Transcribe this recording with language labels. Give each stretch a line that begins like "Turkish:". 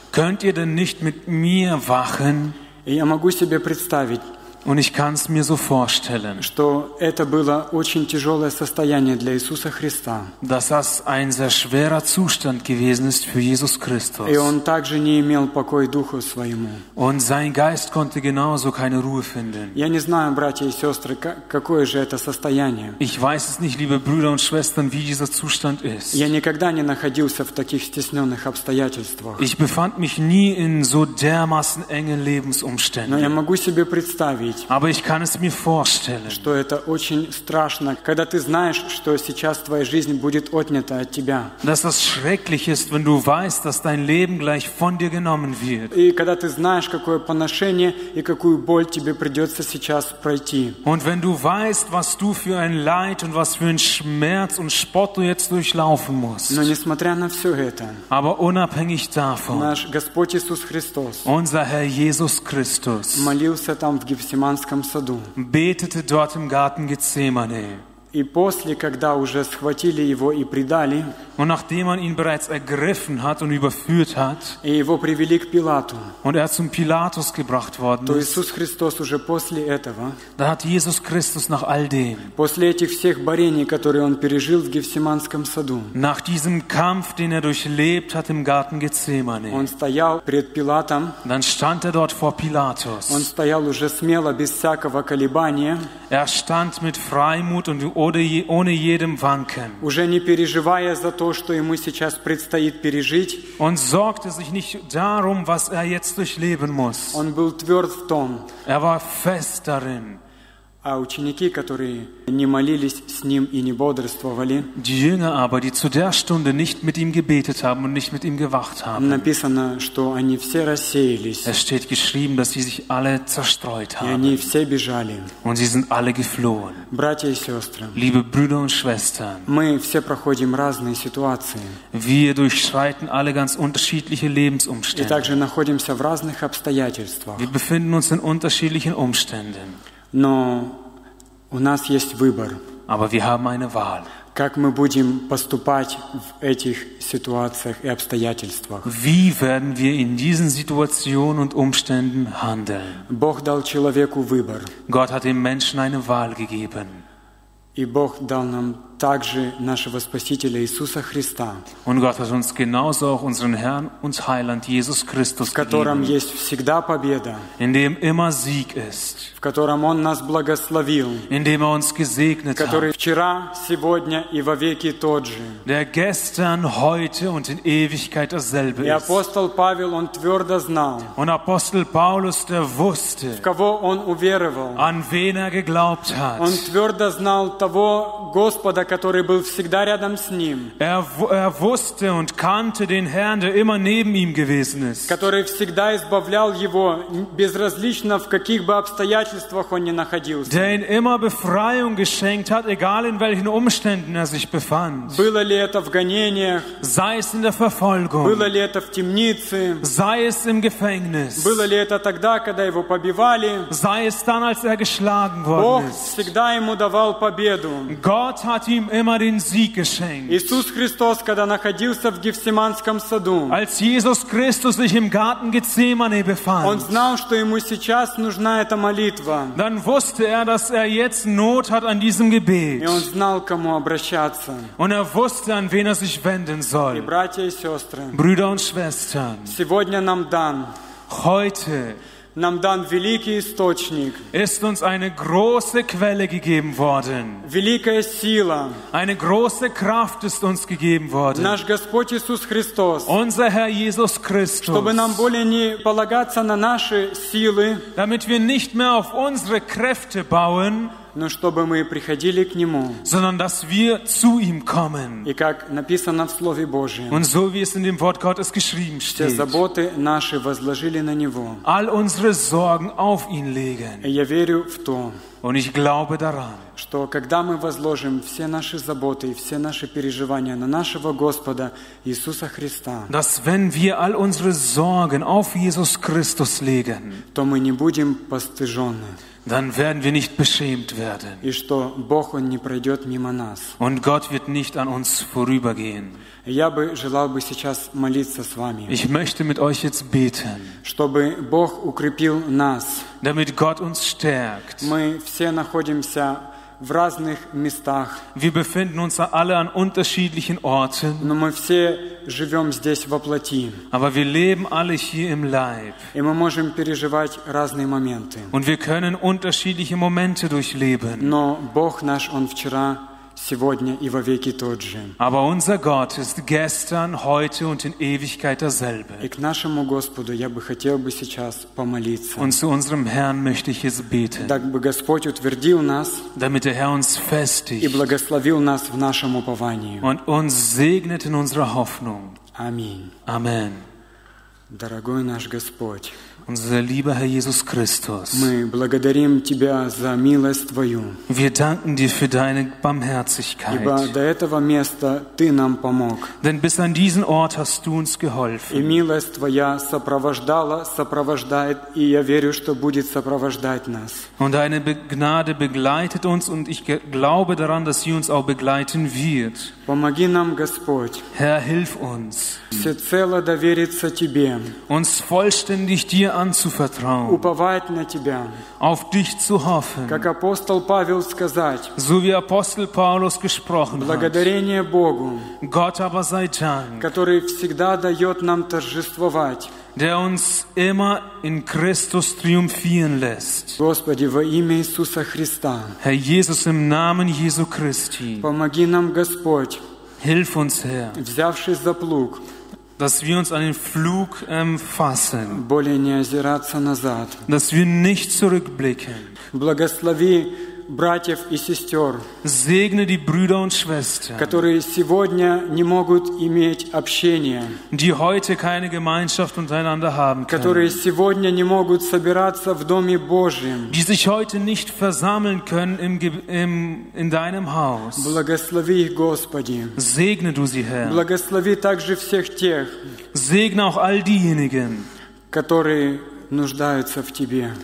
German: Könnt ihr denn nicht mit mir wachen?
Russian: Я могу себе представить.
German: Und ich kann es mir so vorstellen,
Russian: что это было очень тяжелое состояние для Иисуса Христа.
German: Dass das ein sehr schwerer Zustand gewesen ist für Jesus Christus.
Russian: И он также не имел покоя духу своему.
German: Und sein Geist konnte genauso keine Ruhe finden.
Russian: Я не знаю, братья и сестры, какое же это состояние.
German: Ich weiß es nicht, liebe Brüder und Schwestern, wie dieser Zustand ist.
Russian: Я никогда не находился в таких стесненных обстоятельствах.
German: Ich befand mich nie in so dermaßen engen Lebensumständen.
Russian: Но я могу себе представить.
German: Aber ich kann es mir vorstellen,
Russian: что это очень страшно, когда ты знаешь, что сейчас твоя жизнь будет отнята от тебя.
German: Dass das schrecklich ist, wenn du weißt, dass dein Leben gleich von dir genommen wird.
Russian: И когда ты знаешь, какое поношение и какую боль тебе придется сейчас пройти.
German: Und wenn du weißt, was du für ein Leid und was für ein Schmerz und Spott du jetzt durchlaufen musst.
Russian: Но несмотря на все это,
German: aber unabhängig davon,
Russian: наш Господь Иисус Христос,
German: unser Herr Jesus Christus,
Russian: молился там в в Гефсиманском саду.
German: Betete dort im Garten Gethsemane.
Russian: И после, когда уже схватили его и предали,
German: und nachdem man ihn bereits ergriffen hat und überführt hat,
Russian: и его привели к Пилату,
German: und er zum Pilatus gebracht worden ist,
Russian: то Иисус Христос уже после этого,
German: da hat Jesus Christus nach all dem,
Russian: после этих всех борений, которые он пережил в Гефсиманском саду,
German: nach diesem Kampf, den er durchlebt hat im Garten Gethsemane,
Russian: он стоял перед Пилатом,
German: dann stand er dort vor Pilatus,
Russian: он стоял уже смело, без всякого колебания,
German: er stand mit Freimut und ohne jedem Wanken.
Russian: Уже не переживая за то, что ему сейчас предстоит пережить. Он
German: sorgte sich nicht darum, was jetzt durchleben muss.
Russian: Он был тверд в том.
German: Er war fest darin.
Russian: А ученики, которые не молились с ним и не бодрствовали,
German: die Jünger aber, die zu der Stunde nicht mit ihm gebetet haben und nicht mit ihm gewacht haben,
Russian: написано, что они все рассеялись.
German: Es steht geschrieben, dass sie sich alle zerstreut haben.
Russian: И они все бежали.
German: Und sie sind alle geflohen.
Russian: Братья и сестры,
German: liebe Brüder und Schwestern,
Russian: мы все проходим разные ситуации.
German: Wir durchschreiten alle ganz unterschiedliche Lebensumstände.
Russian: И также находимся в разных обстоятельствах.
German: Wir befinden uns in unterschiedlichen Umständen.
Russian: Но у нас есть выбор.
German: Aber wir haben eine Wahl.
Russian: Как мы будем поступать в этих ситуациях и обстоятельствах?
German: Wie werden wir in diesen Situationen und Umständen handeln?
Russian: Бог дал человеку выбор.
German: Gott hat dem Menschen eine Wahl gegeben.
Russian: И Бог дал нам также нашего Спасителя Иисуса Христа.
German: Und Gott hat uns genauso auch unseren Herrn und Heiland Jesus Christus gegeben.
Russian: В котором есть всегда победа.
German: In dem immer Sieg ist.
Russian: В котором Он нас благословил.
German: In dem Er uns gesegnet hat.
Russian: Который вчера, сегодня и вовеки тот же.
German: Der gestern, heute und in Ewigkeit dasselbe ist.
Russian: И апостол Павел, он твердо знал.
German: Und Apostel Paulus, der wusste,
Russian: в кого он уверовал.
German: An wen Er geglaubt hat.
Russian: Он твердо знал того Господа, который был всегда рядом с ним.
German: Er wusste und kannte den Herrn, der immer neben ihm gewesen ist.
Russian: Который всегда избавлял его, безразлично в каких бы обстоятельствах он ни находился.
German: Der ihn immer Befreiung geschenkt hat, egal in welchen Umständen er sich befand.
Russian: Было ли это в гонениях?
German: Sei es in der Verfolgung.
Russian: Было ли это в темнице?
German: Sei es im Gefängnis.
Russian: Было ли это тогда, когда его побивали?
German: Sei es dann, als er geschlagen worden ist.
Russian: Бог всегда ему давал победу.
German: Gott hat ihm immer den Sieg geschenkt.
Russian: Иисус Христос, когда находился в Гефсиманском саду,
German: als Jesus Christus sich im Garten Gethsemane befand,
Russian: он знал, что ему сейчас нужна эта молитва.
German: Dann wusste er, dass jetzt Not hat an diesem Gebet.
Russian: И он знал, кому обращаться.
German: Und wusste, an wen sich wenden soll.
Russian: И братья и сестры,
German: Brüder und Schwestern,
Russian: сегодня нам дан
German: heute
Russian: нам дан великий источник.
German: Ist uns eine große Quelle gegeben worden.
Russian: Великая сила.
German: Eine große Kraft ist uns gegeben worden.
Russian: Наш Господь Иисус Христос.
German: Unser Herr Jesus Christus.
Russian: Чтобы нам более не полагаться на наши силы.
German: Damit wir nicht mehr auf unsere Kräfte bauen.
Russian: Но чтобы мы приходили к Нему.
German: Sondern dass wir zu ihm kommen.
Russian: И как написано в Слове Божьем.
German: Und so wie es in dem Wort Gottes geschrieben steht.
Russian: Все заботы наши возложили на Него.
German: All unsere Sorgen auf ihn legen.
Russian: И я верю в то.
German: Und ich glaube daran.
Russian: Что когда мы возложим все наши заботы и все наши переживания на нашего Господа Иисуса Христа.
German: Dass wenn wir all unsere Sorgen auf Jesus Christus legen.
Russian: То мы не будем постыжены.
German: Dann werden wir nicht beschämt werden.
Russian: И что Бог он не пройдет мимо нас.
German: Und Gott wird nicht an uns vorübergehen.
Russian: Я бы желал бы сейчас молиться с вами.
German: Ich möchte mit euch jetzt beten.
Russian: Чтобы Бог укрепил нас.
German: Damit Gott uns stärkt.
Russian: Мы все находимся в разных местах.
German: Wir befinden uns alle an unterschiedlichen Orten.
Russian: Но мы все живем здесь во плоти.
German: Aber wir leben alle hier im Leib.
Russian: И мы можем переживать разные моменты.
German: Und wir können unterschiedliche Momente durchleben.
Russian: Но Бог наш, Он вчера, сегодня и вовеки тот же.
German: Aber unser Gott ist gestern, heute und in Ewigkeit derselbe.
Russian: И к нашему Господу я бы хотел бы сейчас помолиться.
German: Und zu unserem Herrn möchte ich jetzt beten.
Russian: Так бы Господь утвердил нас.
German: Damit der Herr uns festigt.
Russian: И благословил нас в нашем уповании.
German: Und uns segnet in unserer Hoffnung.
Russian: Аминь.
German: Amen.
Russian: Дорогой наш Господь.
German: Unser lieber Herr Jesus Christus.
Russian: Мы благодарим тебя за милость твою.
German: Wir danken dir für deine Barmherzigkeit.
Russian: Ибо до этого места ты нам помог.
German: Denn bis an diesen Ort hast du uns geholfen.
Russian: И милость твоя сопровождала, сопровождает, и я верю, что будет сопровождать нас.
German: Und deine Gnade begleitet uns und ich glaube daran, dass sie uns auch begleiten wird.
Russian: Помоги нам, Господь.
German: Herr, hilf uns.
Russian: Всецело довериться тебе.
German: Uns vollständig dir anzuvertrauen,
Russian: уповать на тебя,
German: auf dich zu hoffen,
Russian: как апостол Павел сказать,
German: so wie Apostel Paulus gesprochen
Russian: благодарение
German: hat,
Russian: Богу,
German: Gott aber sei Dank,
Russian: который всегда дает нам торжествовать,
German: der uns immer in Christus triumphieren lässt.
Russian: Господи, во имя Иисуса Христа,
German: Herr Jesus, im Namen Jesu Christi,
Russian: помоги нам, Господь,
German: hilf uns, Herr,
Russian: взявшись за плуг,
German: dass wir uns an den Flug fassen,
Russian: более не озираться назад,
German: dass wir nicht zurückblicken.
Russian: Благослови братьев и сестер,
German: segne die Brüder und Schwestern,
Russian: которые сегодня не могут иметь общения,
German: die heute keine Gemeinschaft untereinander haben können,
Russian: которые сегодня не могут собираться в Доме Божьем,
German: die sich heute nicht versammeln können in deinem Haus.
Russian: Благослови их, Господи.
German: Segne du sie, Herr.
Russian: Благослови также всех тех,
German: segne auch all diejenigen,
Russian: которые нуждаются в Тебе.